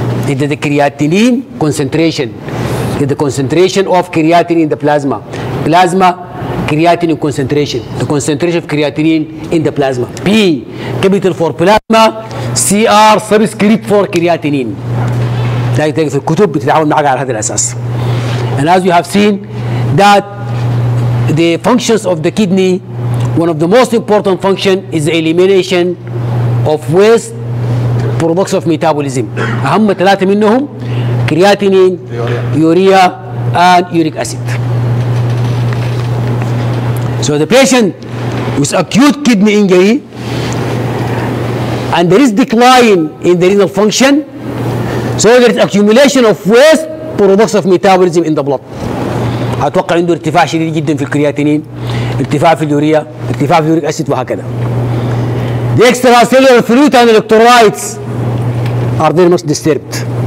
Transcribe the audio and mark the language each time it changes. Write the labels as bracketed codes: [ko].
[en] إذا the creatinine concentration, the concentration of creatinine in the plasma, plasma creatinine concentration, the concentration of creatinine in the plasma. P capital for plasma, CR subscript for creatinine. [ar] ده يتجد في الكتب بتتعامل معها على هذا الأساس. [en] And as we have seen that the functions of the kidney, one of the most important function is the elimination of waste products of metabolism. [ar] أهم ثلاثة منهم كرياتينين، يوريا، [en] and uric acid. So the patient with acute kidney injury and there is decline in the renal function, so there is accumulation of waste products of metabolism in the blood. [ar] أتوقع عنده ارتفاع شديد جدا في الكرياتينين، ارتفاع في اليوريا، ارتفاع في uric acid وهكذا. [en] The extracellular fluid and electrolytes are very much disturbed.